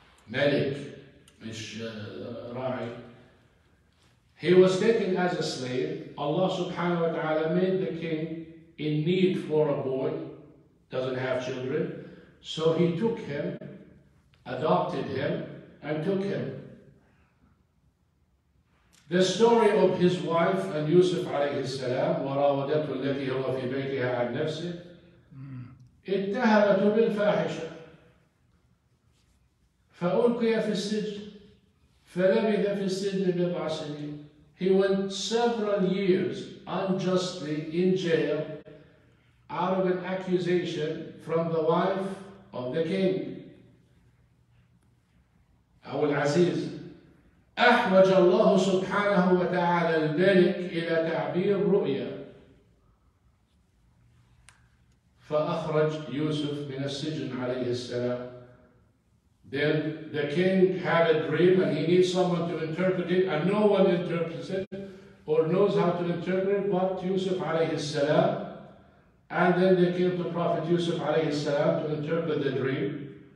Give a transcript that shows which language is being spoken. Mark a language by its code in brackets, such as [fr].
[ar] ملك مش راعي. [en] He was taken as a slave. Allah subhanahu wa ta'ala made the king in need for a boy, doesn't have children. So he took him, adopted him, and took him. The story of his wife and Yusuf [ar] عليه السلام وراودته التي هو في بيتها عن نفسه اتهمت بالفاحشة فألقي في السجن فلبث في السجن بضع سنين. [en] He went several years unjustly in jail out of an accusation from the wife of the king. [ar] أبو العزيز أحوج الله سبحانه وتعالى الملك إلى تعبير رؤيا فأخرج يوسف من السجن عليه السلام. [en] Then the king had a dream and he needs someone to interpret it and no one interprets it or knows how to interpret but Yusuf عليه السلام. And then they came to Prophet Yusuf عليه السلام to interpret the dream.